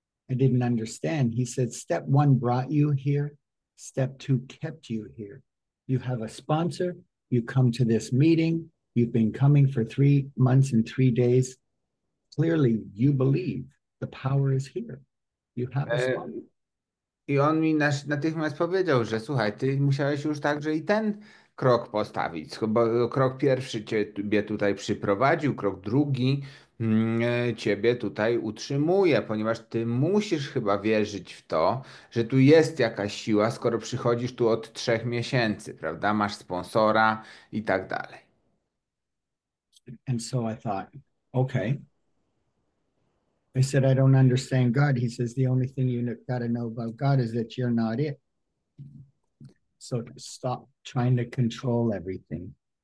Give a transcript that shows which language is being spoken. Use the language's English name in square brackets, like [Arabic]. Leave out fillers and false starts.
[English] I didn't understand. He said, "Step one brought you here. Step two kept you here. You have a sponsor. You come to this meeting. You've been coming for 3 months and 3 days. Clearly, you believe the power is here. You have a sponsor." [Polish] I on mi natychmiast powiedział, że słuchaj, ty musiałeś już także i ten krok postawić, bo krok pierwszy ciebie tutaj przyprowadził, krok drugi ciebie tutaj utrzymuje, ponieważ ty musisz chyba wierzyć w to, że tu jest jakaś siła, skoro przychodzisz tu od 3 miesięcy, prawda? Masz sponsora i tak dalej. [English] And so I thought, okay. I said, "I don't understand God." He says, "The only thing you got to know about God is that you're not it. So stop trying to control everything."